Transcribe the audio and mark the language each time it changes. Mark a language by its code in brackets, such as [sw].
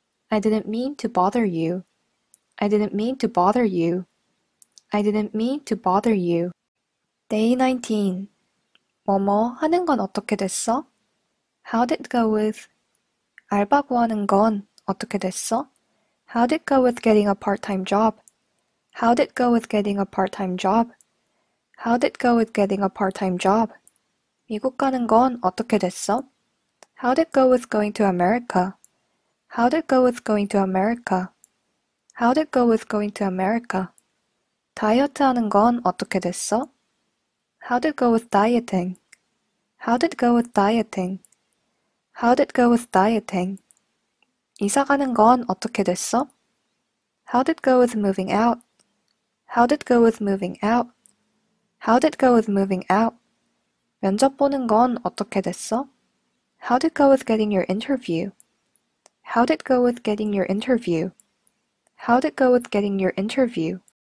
[en] I didn't mean to bother you. I didn't mean to bother you. I didn't mean to bother you. Day 19. [ko] 뭐뭐 하는 건 어떻게 됐어? [en] How did it go with? [ko] 알바 구하는 건 어떻게 됐어? [en] How did it go with getting a part-time job? How did it go with getting a part-time job? How did it go with getting a part-time job? [ko] 미국 가는 건 어떻게 됐어? [en] How did it go with going to America? How did it go with going to America? How did it go with going to America? [ko] 다이어트 하는 건 어떻게 됐어? [en] How did it go with dieting? How did it go with dieting? How did it go with dieting? [ko] 이사 가는 건 어떻게 됐어? [en] How did it go with moving out? How did it go with moving out? How did it go with moving out? [ko] 면접 보는 건 어떻게 됐어? [en] How did it go with getting your interview? How did it go with getting your interview? How did it go with getting your interview?